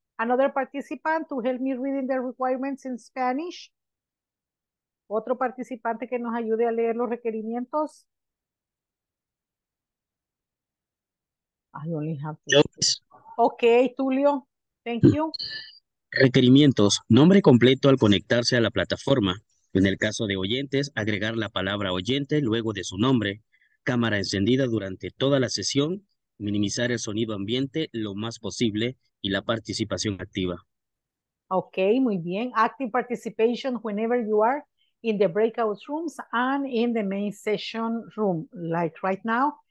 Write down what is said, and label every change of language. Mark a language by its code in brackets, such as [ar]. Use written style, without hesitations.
[en] Another participant to help me reading the requirements in Spanish. [es] Otro participante que nos ayude a leer los requerimientos. [en] I only have two. Okay, Tulio, thank you. [es] Requerimientos: nombre completo al conectarse a la plataforma. En el caso de oyentes, agregar la palabra oyente luego de su nombre. Cámara encendida durante toda la sesión. Minimizar el sonido ambiente lo más posible y la participación activa. Okay, muy bien. [en] Active participation whenever you are in the breakout rooms and in the main session room, like right now.